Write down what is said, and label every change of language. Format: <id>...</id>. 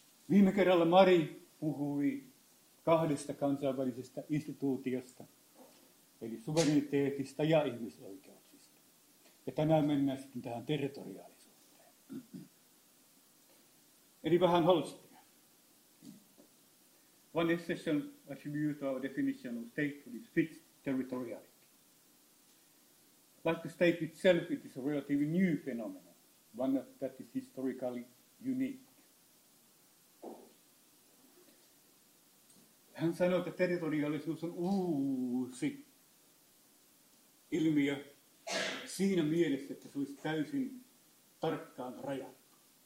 <fi>Viime kerralla Mari puhui 2 kansainvälisestä instituutiosta, eli suvereniteetista ja ihmisoikeuksista. Ja tänään mennään sitten tähän territoriaalisuuteen. Eli vähän Holstia.</fi> <en>One essential attribute or definition of statehood is fixed territoriality. Like the state itself, it is a relatively new phenomenon, one that is historically unique.</en> <fi>Hän sanoi, että territoriaalisuus on uusi ilmiö siinä mielessä, että se olisi täysin tarkkaan rajattu.</fi>